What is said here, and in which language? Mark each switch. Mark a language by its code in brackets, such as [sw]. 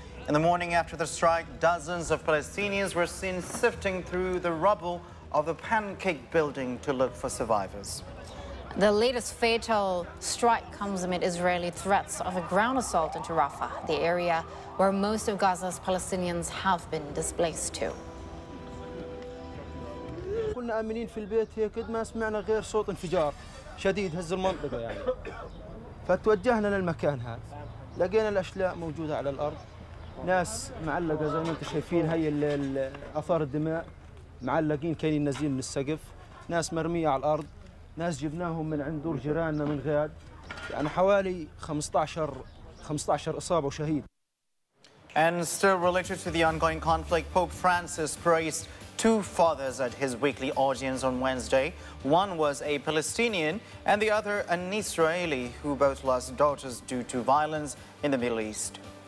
[en] In the morning after the strike, dozens of Palestinians were seen sifting through the rubble of the pancake building to look for survivors. The latest fatal strike comes amid Israeli threats of a ground assault into Rafah, the area where most of Gaza's Palestinians have been displaced to. [ar] كنا آمنين في البيت هيك ما سمعنا غير صوت انفجار شديد هز المنطقة يعني فتوجهنا للمكان هذا لقينا الأشلاء موجودة على الأرض ناس معلقة زي ما انتم شايفين هاي آثار الدماء معلقين كانين نازلين من السقف ناس مرمية على الأرض ناس جبناهم من عند دور جيراننا من غاد يعني حوالي 15 إصابة وشهيد. [en] And still related to the ongoing conflict, Pope Francis praised 2 fathers at his weekly audience on Wednesday. One was a Palestinian and the other an Israeli who both lost daughters due to violence in the Middle East.